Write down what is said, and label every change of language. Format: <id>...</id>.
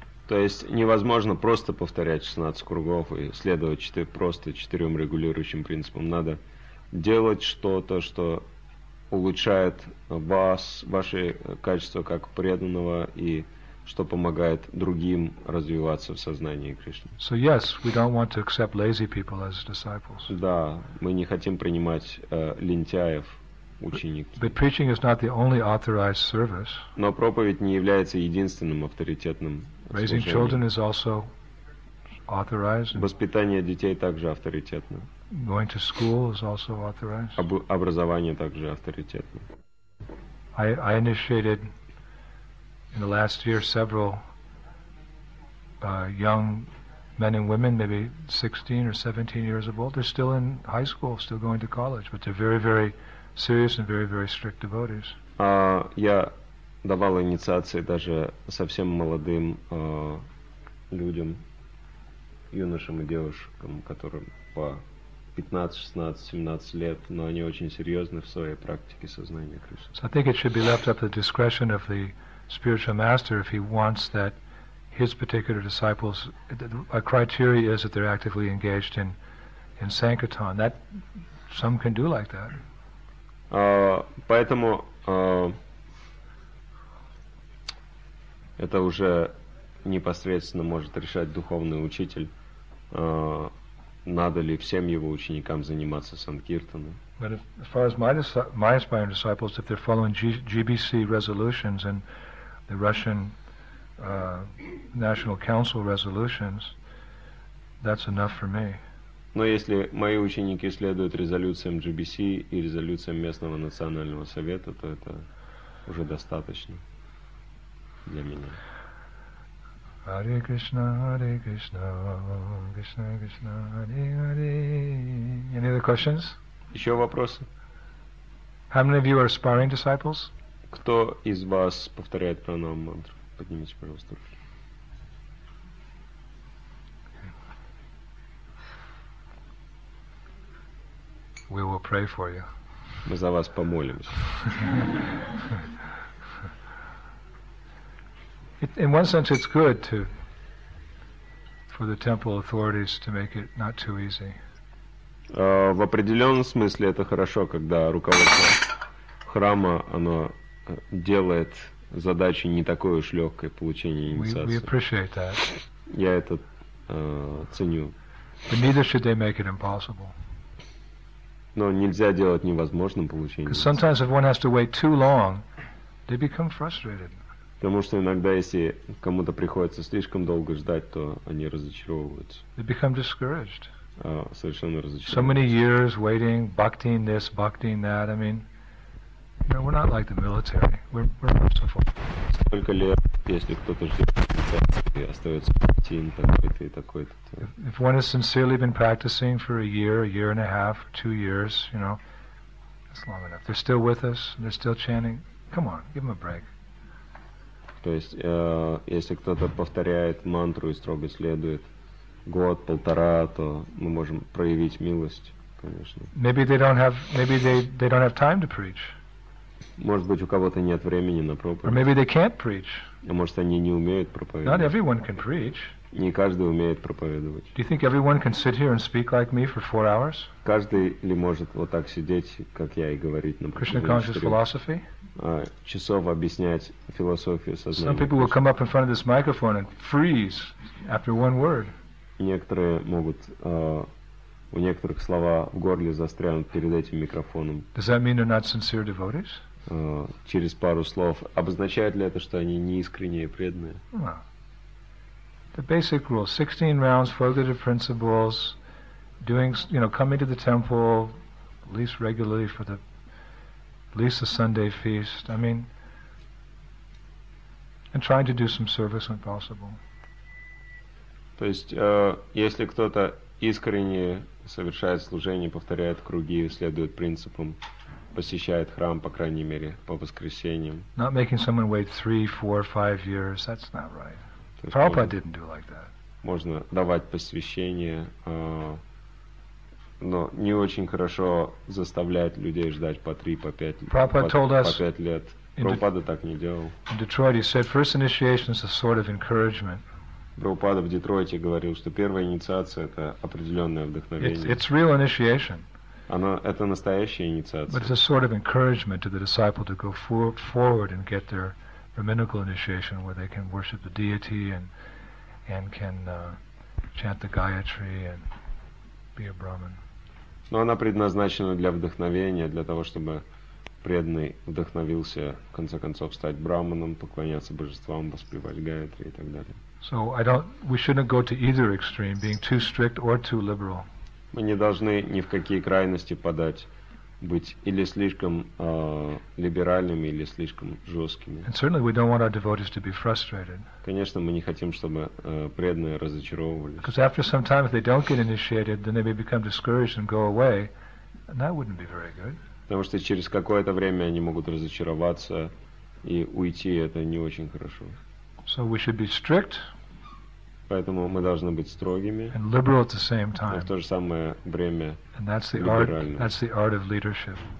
<ru>То есть невозможно просто повторять 16 кругов и следовать просто четырем регулирующим принципам. Надо делать что-то, что улучшает вас, ваши качества как преданного и что помогает другим развиваться в сознании Кришны.</ru> <en>So yes, we don't want to accept lazy people as disciples.</en> <ru>Да, мы не хотим принимать лентяев, ученики.</ru> <en>But preaching is not the only authorized service.</en> <ru>Но проповедь не является единственным авторитетным служением.</ru> <en>Raising children is also authorized.</en> <ru>Воспитание детей также авторитетно.</ru> <en>Going to school is also authorized.</en> <ru>Образование также авторитетно.</ru> <en>I initiated in the last year several young men and women, maybe 16 or 17 years of old. They're still in high school, still going to college, but they're very, very serious and very, very strict devotees.</en> <ru>Я давал инициации даже совсем молодым людям, юношам и девушкам, которым по 15, 16, 17 лет, но они очень серьезны в своей практике сознания Кришны.</ru> <en>So I think it should be left up to the discretion of the spiritual master if he wants that his particular disciples, a criteria is that they're actively engaged in sankirtan. That some can do like that.</en> <ru>Поэтому это уже непосредственно может решать духовный учитель. Надо ли всем его ученикам заниматься санкиртаном?</ru> <en>But as far as my aspiring disciples, if they're following GBC resolutions and the Russian National Council resolutions, that's enough for me.</en> <ru>Но если мои ученики следуют резолюциям GBC и резолюциям местного национального совета, то это уже достаточно для меня.</ru> <en>Hare Krishna, Hare Krishna, Krishna Krishna, Hare Hare. Any other questions?</en> <ru>Еще вопросы?</ru> <en>How many of you are aspiring disciples?</en> <ru>Кто из вас повторяет пранаму мантру? Поднимите, пожалуйста, руки.</ru> <en>We will pray for you.</en> <ru>Мы за вас помолимся.</ru> <en>In one sense, it's good to for the temple authorities to make it not too easy.</en> <ru>В определенном смысле это хорошо, когда руководство храма оно делает задачу не такой уж легкой получения инициации.</ru> <en>We appreciate that.</en> <ru>Я это ценю.</ru> <en>But neither should they make it impossible.</en> <ru>Но нельзя делать невозможным получение.</ru> <en>Because sometimes if one has to wait too long, they become frustrated.</en> <ru>Потому что иногда, если кому-то приходится слишком долго ждать, то они разочаровываются.</ru> <en>They become discouraged.</en> <ru>Совершенно разочаровываются.</ru> <en>So many years waiting, bhaktiing this, bhaktiing that. I mean, you know, we're not like the military. We're merciful.</en> <ru>Столько лет, если кто-то ждет, и остается bhaktiing такой-то и такой-то.</ru> <en>If one has sincerely been practicing for a year and a half, 2 years, you know, that's long enough. They're still with us, and they're still chanting. Come on, give them a break.</en> <ru>То есть, если кто-то повторяет мантру и строго следует год, полтора, то мы можем проявить милость, конечно.</ru> <en>Maybe they don't have time to preach.</en> <ru>Может быть, у кого-то нет времени на проповедь.</ru> <en>Or maybe they can't preach.</en> <ru>А может, они не умеют проповедовать.</ru> <en>Not everyone can preach.</en> <ru>Не каждый умеет проповедовать.</ru> <en>Do you think everyone can sit here and speak like me for 4 hours?</en> <ru>Каждый ли может вот так сидеть, как я, и говорить на проповеди?</ru> <en>Krishna conscious philosophy.</en> <ru>Часов объяснять философию сознания.</ru> <en>Some people will come up in front of this microphone and freeze after one word.</en> <ru>Некоторые могут, у некоторых слова в горле застрянут перед этим микрофоном.</ru> <en>Does that mean they're not sincere devotees?</en> <ru>Через пару слов. Обозначает ли это, что они неискренние преданные?</ru> <en>No. The basic rule: 16 rounds, 4 principles, doing, you know, coming to the temple at least regularly for the at least a Sunday feast, I mean, and trying to do some service when possible.</en> <ru>То есть, если кто-то искренне совершает служение, повторяет круги, следует принципам, посещает храм, по крайней мере, по воскресеньям.</ru> <en>Not making someone wait 3, 4, 5 years, that's not right. Prabhupada didn't do like that.</en> <ru>Можно давать посвящение Но не очень хорошо заставлять людей ждать по 3, по 5, по 5 лет. Прабхупада так не делал.</ru> <en>In Detroit, he said, first initiation is a sort of encouragement.</en> <ru>Прабхупада в Детройте говорил, что первая инициация — это определенное вдохновение.</ru> <en>It's real initiation.</en> <ru>Оно, это настоящая инициация.</ru> <en>But it's a sort of encouragement to the disciple to go forward and get their brahminical initiation, where they can worship the deity and can chant the Gayatri and be a Brahmin.</en> <ru>Но она предназначена для вдохновения, для того, чтобы преданный вдохновился, в конце концов, стать брахманом, поклоняться божествам, воспевать Гаятри и так далее.</ru> <en>So I don't, we shouldn't go to either extreme, being too strict or too liberal.</en> <ru>Мы не должны ни в какие крайности подать, быть или слишком либеральными, или слишком жесткими.</ru> <en>And certainly we don't want our devotees to be frustrated.</en> <ru>Конечно, мы не хотим, чтобы преданные разочаровывались.</ru> <en>Because after some time, if they don't get initiated, then they may become discouraged and go away, and that wouldn't be very good.</en> <ru>Потому что через какое-то время они могут разочароваться и уйти, это не очень хорошо.</ru> <en>So we should be strict.</en> <ru>Поэтому мы должны быть строгими.</ru> <en>And liberal at the same time.</en> <ru>Но в то же самое время либеральными.</ru> <en>That's the art of leadership.</en>